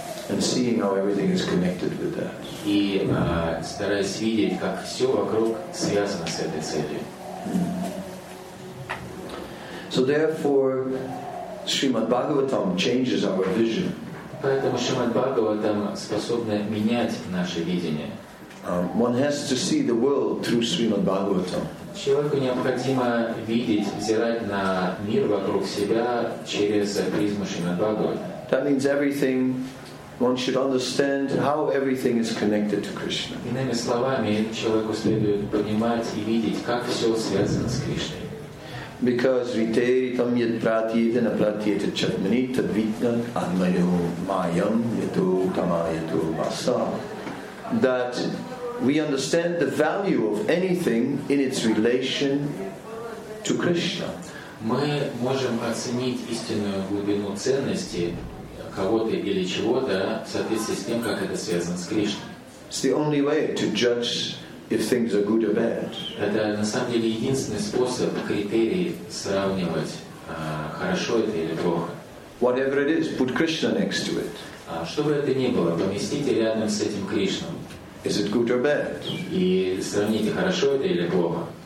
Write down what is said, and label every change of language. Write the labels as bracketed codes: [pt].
[en] And seeing how everything is connected with that. [ru] И стараясь видеть, как все вокруг связано с этой целью. [en] So therefore, Srimad Bhagavatam changes our vision. [ru] Поэтому Шримад Бхагаватам способен менять наше видение. [en] One has to see the world through Srimad Bhagavatam. [ru] Человеку необходимо видеть, взирать на мир вокруг себя через призму Шримад Бхагаватам. [en] That means everything. One should understand how everything is connected to Krishna. [ru] Иными словами, человеку следует понимать и видеть, как все связано с Кришной. [sa] Because vitaritam yad pratyete na pratyete chatmani tad vitnat atmanyo mayam yato tamayato vasa. [en] That we understand the value of anything in its relation to Krishna. [ru] Мы можем оценить истинную глубину ценности кого-то или чего-то в соответствии с тем, как это связано с Кришной. [en] It's the only way to judge if things are good or bad. [ru] Это на самом деле единственный способ, критерий сравнивать, хорошо это или плохо. [en] Whatever it is, put Krishna next to it. [ru] Что бы это ни было, поместите рядом с этим Кришну. [en] Is it good or bad? [ru] И сравните, хорошо это или плохо.